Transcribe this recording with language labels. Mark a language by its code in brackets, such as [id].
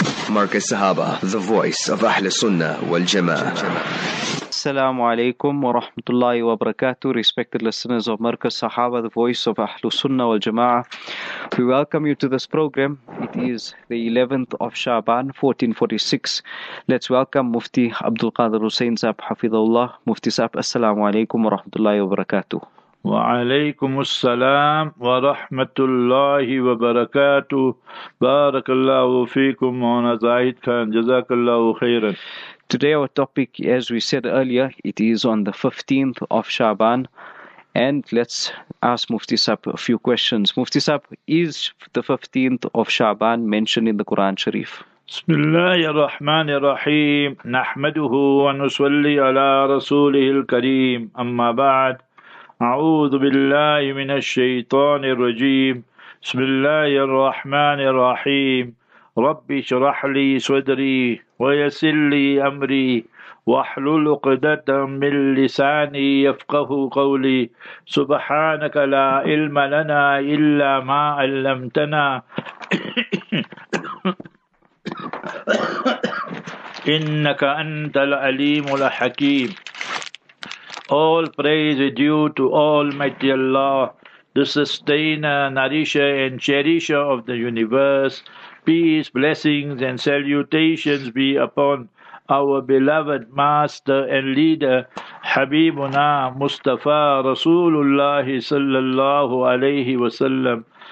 [ar] مارك السهابة، [en] The Voice of [ar] أهل السنة والجماعة. السلام عليكم ورحمة الله وبركاته. [en] Respected listeners of مارك السهابة، The Voice of [ar] أهل السنة والجماعة. [en] We welcome you to this program. It is the 11th of Shaban, 1446. Let's welcome Mufti Abdul Qadir Hussein Saab, [ar] حفظه الله. Mufti Saab, السلام عليكم ورحمة الله وبركاته. وعليكم السلام ورحمة الله وبركاته. بارك الله فيكم وانا زاهد خان، جزاك الله خيرا. [en] Today our topic, as we said earlier, it is on the 15th of Shaban. And let's ask Mufti Saab a few questions. Mufti Saab, is the 15th of Shaban mentioned in the Quran Sharif? [ar] بسم الله الرحمن الرحيم نحمده ونصلي على رسوله الكريم أما بعد أعوذ بالله من الشيطان الرجيم بسم الله الرحمن الرحيم رب اشرح لي صدري ويسر لي أمري واحلل عقدة من لساني يفقه قولي سبحانك لا علم لنا إلا ما علمتنا إنك أنت العليم الحكيم. [en] All praise is due to Almighty Allah, the sustainer, nourisher and cherisher of the universe. Peace, blessings and salutations be upon our beloved master and leader, Habibuna Mustafa Rasulullah sallallahu alayhi wa sallam.